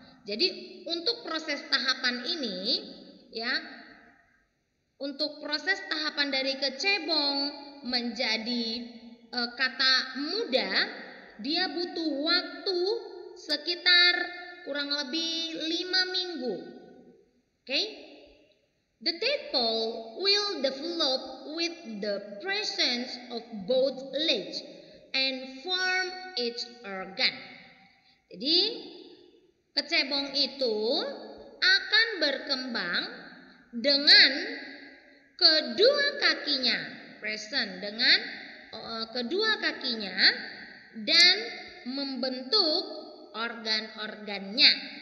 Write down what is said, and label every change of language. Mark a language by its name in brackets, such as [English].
[Indonesian] Jadi untuk proses tahapan ini, ya, untuk proses tahapan dari kecebong menjadi kata muda, dia butuh waktu sekitar kurang lebih 5 minggu. [English] Okay? The tadpole will develop with the presence of both legs and form its organ. [Indonesian] Jadi kecebong itu akan berkembang dengan kedua kakinya, present dengan kedua kakinya dan membentuk organ-organnya.